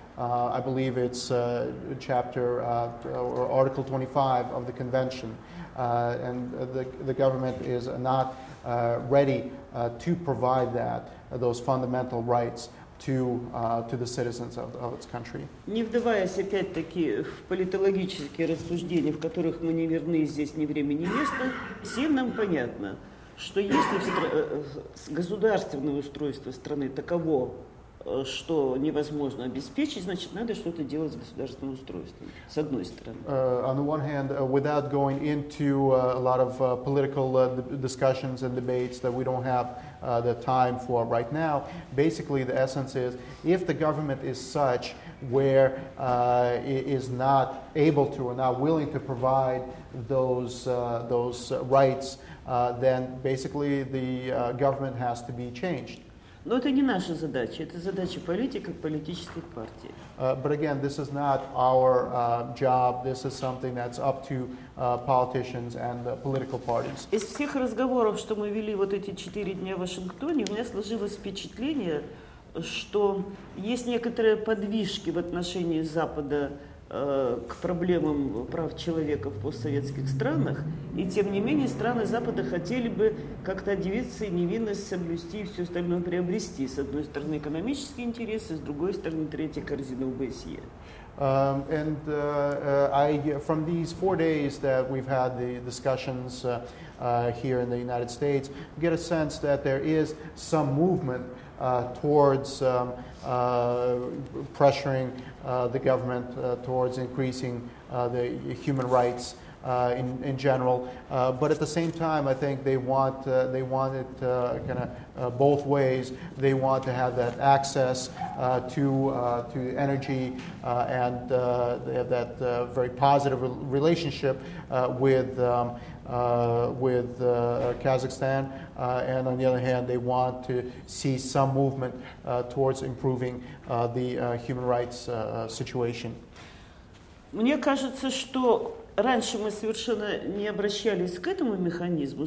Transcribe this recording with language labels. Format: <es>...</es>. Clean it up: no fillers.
<en>I believe it's chapter or article 25 of the convention, and the government is not ready to provide that those fundamental rights to the citizens of its country.</en> <ru>Не вдаваясь опять-таки в политологические рассуждения, в которых мы не верны здесь ни время, ни место, всем нам понятно, что если государственное устройство страны таково, что невозможно обеспечить, значит, надо что-то делать с государственным устройством, с одной стороны.</ru> <en>On the one hand, without going into a lot of political discussions and debates that we don't have the time for right now, basically the essence is, if the government is such where is not able to or not willing to provide those rights, then basically the government has to be changed.</en> <ru>Но это не наша задача, это задача политиков, политических партий.</ru> <en>But again, this is not our job. This is something that's up to politicians and political parties.</en> <ru>Из всех разговоров, что мы вели вот эти 4 дня в Вашингтоне, у меня сложилось впечатление, что есть некоторые подвижки в отношении Запада к проблемам прав человека в постсоветских странах, и тем не менее страны Запада хотели бы как-то девиться и невинность соблюсти и все остальное приобрести. С одной стороны экономические интересы, с другой стороны третья корзина ОБСЕ.</ru> <en>From these 4 days that we've had the discussions here in the United States, get a sense that there is some movement towards pressuring the government towards increasing the human rights in general, but at the same time, I think they want it kind of both ways. They want to have that access to energy and they have that very positive relationship with Kazakhstan, and on the other hand, they want to see some movement towards improving the human rights situation.</en> <ru>Мне кажется, что раньше мы совершенно не обращались к этому механизму.</ru>